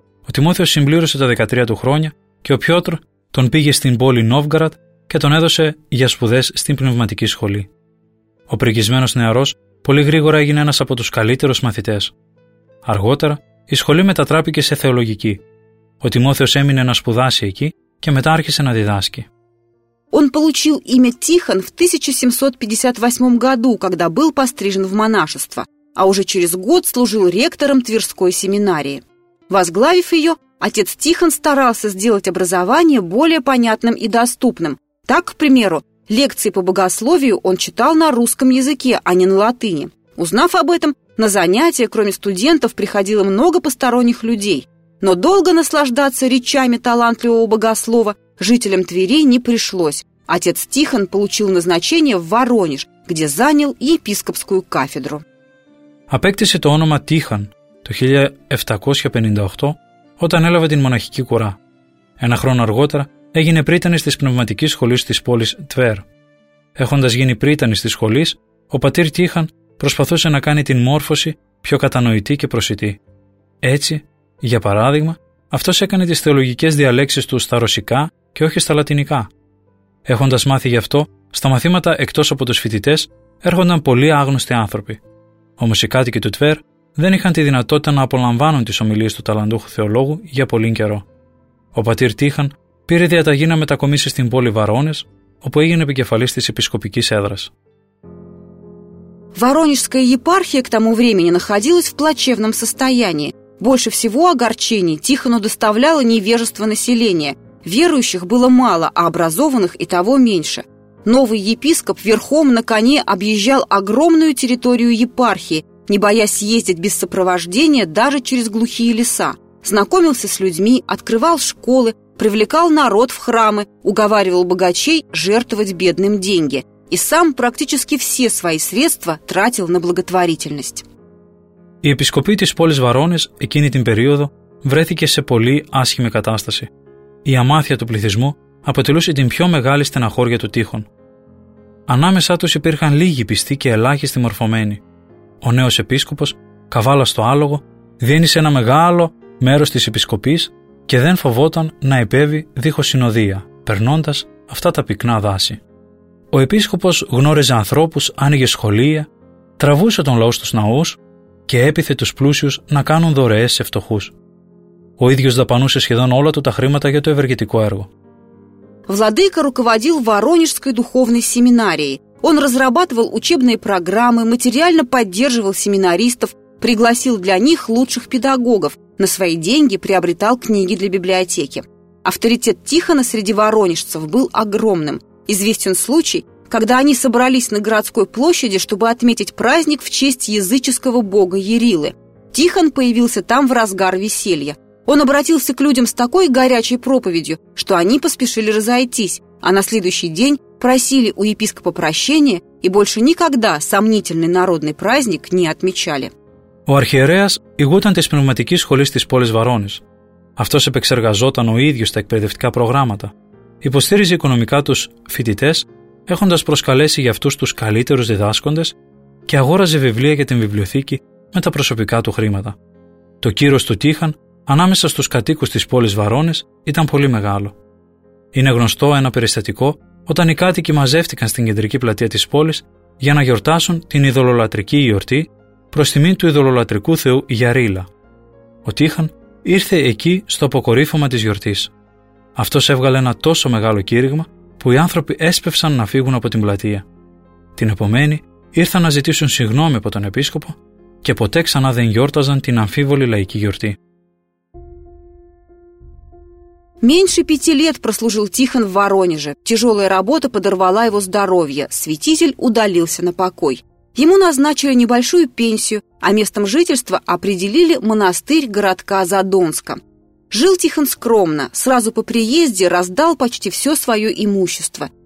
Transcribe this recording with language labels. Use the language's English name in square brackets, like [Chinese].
[Greek] Ο Τιμόθεος συμπλήρωσε τα 13 του χρόνια και ο Πιότρ τον πήγε στην πόλη Νόβγκαραντ και τον έδωσε για σπουδές στην πνευματική σχολή. Ο πριγκισμένος νεαρός πολύ γρήγορα έγινε ένας από τους καλύτερους μαθητές. Αργότερα, η σχολή μετατράπηκε σε θεολογική. Ο Τιμόθεος έμεινε να σπουδάσει εκεί και μετά άρχισε να διδάσκει. [Russian] Он получил имя Тихон в 1758 году, когда был пострижен в монашество, а уже через год служил ректором Тверской семинарии. Возглавив ее, отец Тихон старался сделать образование более понятным и доступным. Так, к примеру, лекции по богословию он читал на русском языке, а не на латыни. Узнав об этом, на занятия, кроме студентов, приходило много посторонних людей. Но долго наслаждаться речами талантливого богослова жителям Твери не пришлось. Отец Тихон получил назначение в Воронеж, где занял епископскую кафедру. [Greek] Апектисе то онома Тихон, то 1758, όταν έλαβε την μοναχική κουρά. Ένα χρόνο αργότερα έγινε πρίτανης της πνευματικής σχολής της πόλης Τβέρ. Έχοντας γίνει πρίτανης της σχολής, ο πατήρ Τίχαν προσπαθούσε να κάνει την μόρφωση πιο κατανοητή και προσιτή. Έτσι, για παράδειγμα, αυτός έκανε τις θεολογικές διαλέξεις του στα ρωσικά και όχι στα λατινικά. Έχοντας μάθει γι' αυτό, στα μαθήματα εκτός από τους φοιτητές έρχονταν πολλοί άγνωστοι άνθρωποι. Όμως οι κάτοικοι του Τβέρ δεν είχαν τη δυνατότητα να απολαμβάνουν τις ομιλίες του ταλαντούχου θεολόγου για πολύ καιρό. Ο πατήρ Τίχαν πήρε διαταγή να μετακομίσει στην πόλη Βαρόνες, όπου έγινε επικεφαλής της επισκοπικής έδρας. [Russian] Воронежская епархия к тому времени находилась в плачевном состоянии. Больше всего огорчений Тихону доставляло невежество населения. Верующих было мало, а образованных и того меньше. Новый епископ верхом на коне объезжал огромную территорию епархии, не боясь ездить без сопровождения даже через глухие леса. Знакомился с людьми, открывал школы, привлекал народ в храмы, уговаривал богачей жертвовать бедным деньги. И сам практически все свои средства тратил на благотворительность. [Greek] Η επισκοπή της πόλης Βαρόνες εκείνη την περίοδο βρέθηκε σε πολύ άσχημη κατάσταση. Η αμάθεια του πληθυσμού αποτελούσε την πιο μεγάλη στεναχώρια του Τείχων. Ανάμεσά τους υπήρχαν λίγοι πιστοί και ελάχιστοι μορφωμένοι. Ο νέος επίσκοπος, καβάλα στο άλογο, διένυσε ένα μεγάλο μέρος της επισκοπής και δεν φοβόταν να επέβει δίχως συνοδεία, περνώντας αυτά τα πυκνά δάση. Ο επίσκοπος γνώριζε ανθρώπους, άνοιγε σχολεία, τραβούσε τον λαό στους ναούς και έπειθε τους πλούσιους να κάνουν δωρεές σε φτωχούς. Ο ίδιος δαπανούσε σχεδόν όλα του τα χρήματα για το ευεργετικό έργο. [Russian] Владыка руководил Воронежской духовной семинарией. Он разрабатывал учебные программы, материально поддерживал семинаристов, пригласил для них лучших педагогов, на свои деньги приобретал книги для библиотеки. Авторитет Тихона среди воронежцев был огромным. Известен случай, когда они собрались на городской площади, чтобы отметить праздник в честь языческого бога Ярилы. Тихон появился там в разгар веселья. Он обратился к людям с такой горячей проповедью, что они поспешили разойтись, а на следующий день просили у епископа прощения и больше никогда сомнительный народный праздник не отмечали. [Greek] Ο αρχιερέας ηγούταν της πνευματικής σχολής της πόλης Βαρώνης. Αυτός επεξεργαζόταν ο ίδιος τα εκπαιδευτικά προγράμματα. Υποστήριζε οικονομικά τους φοιτητές, έχοντας προσκαλέσει για αυτούς τους καλύτερους διδάσκοντες και αγόραζε βιβλία για την βιβλιοθήκη με τα προσωπικά του χρήματα. Το κύρος του Τίχαν ανάμεσα στους κατοίκους της πόλης Βαρώνης ήταν πολύ μεγάλο. Είναι γνωστό ένα περιστατικό όταν οι κάτοικοι μαζεύτηκαν στην κεντρική πλατεία της πόλης για να γιορτάσουν την ειδωλολατρική γιορτή προς τιμή του ειδωλολατρικού θεού Γιαρίλα. Ο Τίχαν ήρθε εκεί στο αποκορύφωμα της γιορτής. Αυτός έβγαλε ένα τόσο μεγάλο κήρυγμα που οι άνθρωποι έσπευσαν να φύγουν από την πλατεία. Την επομένη ήρθαν να ζητήσουν συγγνώμη από τον επίσκοπο και ποτέ ξανά δεν γιόρταζαν την αμφίβολη λαϊκή γιορτή. [Russian] Меньше 5 лет прослужил Тихон в Воронеже. Тяжелая работа подорвала его здоровье. Святитель удалился на покой. Ему назначили небольшую пенсию, а местом жительства определили монастырь городка Задонска. Жил Тихон скромно. Сразу по приезде раздал почти все свое имущество.